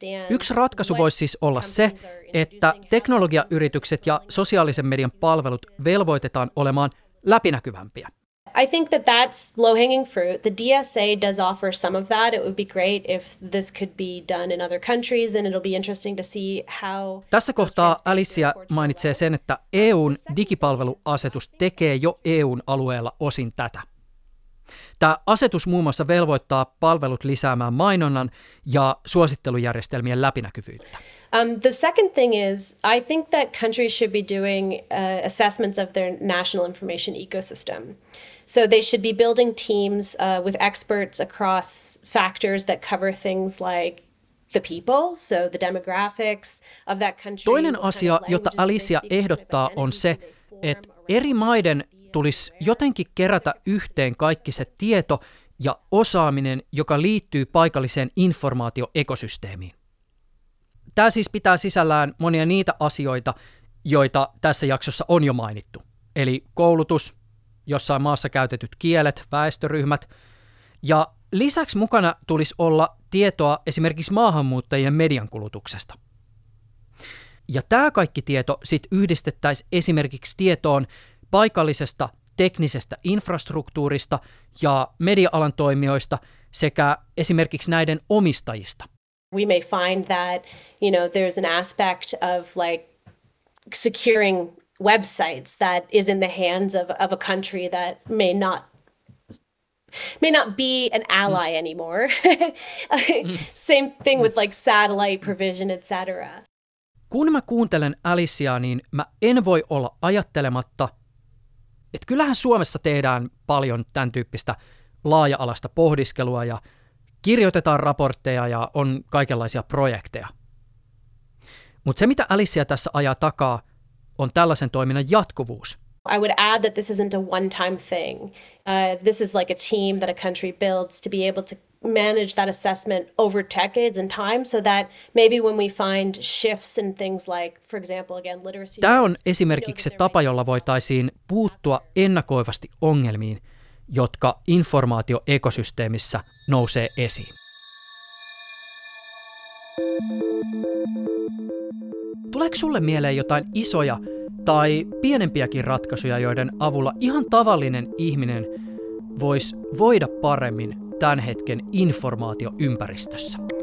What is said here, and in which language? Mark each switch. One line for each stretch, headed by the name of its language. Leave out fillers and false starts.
Finnish: Yksi ratkaisu voisi siis olla se, että teknologiayritykset ja sosiaalisen median palvelut velvoitetaan olemaan läpinäkyvämpiä.
English: I think that that's low-hanging fruit. The DSA does offer some of that. It would be great if this could be done in other countries, and it'll be interesting to see how.
Finnish: Tässä kohtaa Alicia mainitsee sen, että EU:n digipalveluasetus tekee jo EU:n alueella osin tätä. Tämä asetus muun muassa velvoittaa palvelut lisäämään mainonnan ja suosittelujärjestelmien läpinäkyvyyttä.
English: The second thing is, I think that countries should be doing assessments of their national information ecosystem. So they should be building teams with experts across factors that cover things like the people, so the demographics of that country.
Finnish: Toinen asia, jota Alicia ehdottaa, on se, että eri maiden tulisi jotenkin kerätä yhteen kaikki se tieto ja osaaminen, joka liittyy paikalliseen informaatioekosysteemiin. Tämä siis pitää sisällään monia niitä asioita, joita tässä jaksossa on jo mainittu. Eli koulutus, jossain maassa käytetyt kielet, väestöryhmät. Ja lisäksi mukana tulisi olla tietoa esimerkiksi maahanmuuttajien median kulutuksesta. Ja tämä kaikki tieto sitten yhdistettäisiin esimerkiksi tietoon paikallisesta teknisestä infrastruktuurista ja media-alan toimijoista sekä esimerkiksi näiden omistajista.
English: We may find that, you know, there's an aspect of like securing websites that is in the hands of a country that may not be an ally anymore. Same thing with like satellite provision, etc.
Finnish: Kun mä kuuntelen Aliciaa, niin mä en voi olla ajattelematta, että kyllähän Suomessa tehdään paljon tämän tyyppistä laaja-alaista pohdiskelua ja kirjoitetaan raportteja ja on kaikenlaisia projekteja. Mutta se, mitä Alicia tässä ajaa takaa, on tällaisen toiminnan jatkuvuus.
English: I would add that this isn't a one-time thing. This is like a team that a country builds to be able to manage that assessment over decades and time, so that maybe when we find shifts in things like, for example, again, literacy.
Finnish: Tämä on esimerkiksi se tapa, jolla voitaisiin puuttua ennakoivasti ongelmiin, jotka informaatioekosysteemissä nousee esiin. Tuleeko sulle mieleen jotain isoja tai pienempiäkin ratkaisuja, joiden avulla ihan tavallinen ihminen voisi voida paremmin tämän hetken informaatioympäristössä?